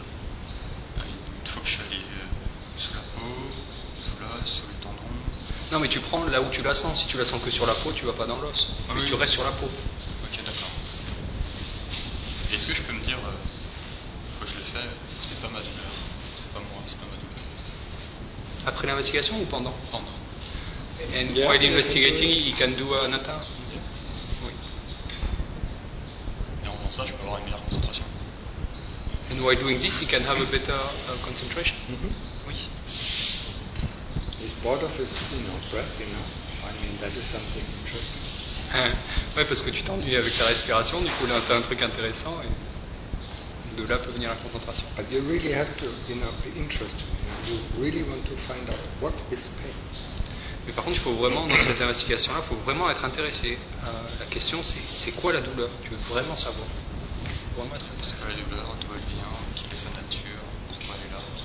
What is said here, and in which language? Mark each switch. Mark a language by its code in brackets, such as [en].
[fr] Une fois que je suis allé sous la peau, sous l'os, sous les tendons. Non, mais tu prends là où tu la sens. Si tu la sens que sur la peau, tu vas pas dans l'os. Ah, mais oui. Tu restes sur la peau. Ok, d'accord. Est-ce que je peux me dire, que je le fais, c'est pas ma douleur, c'est pas moi, c'est pas ma douleur. Après l'investigation ou pendant? Pendant. [en] And yeah, while investigating, he can do anatta. Yeah. Oui. [fr] Et en faisant ça, je peux avoir une meilleure concentration. [en] And while doing this, he can have a better concentration. Mm-hmm. [fr] Oui. [en] Is part of his, you know, breath, you know. I mean, that is something interesting. [fr] Ouais, parce que tu t'ennuies avec ta respiration, du coup là t'as un truc intéressant et de là peut venir la concentration. [en] But you really have to, you know, be interested. You really want to find out what is pain. [fr] Mais par contre, il faut vraiment dans cette investigation-là, il faut vraiment être intéressé. La question, c'est quoi la douleur? Tu veux vraiment savoir? Vraiment être intéressé. C'est la douleur, d'où elle vient, quelle est sa nature, pourquoi elle est là.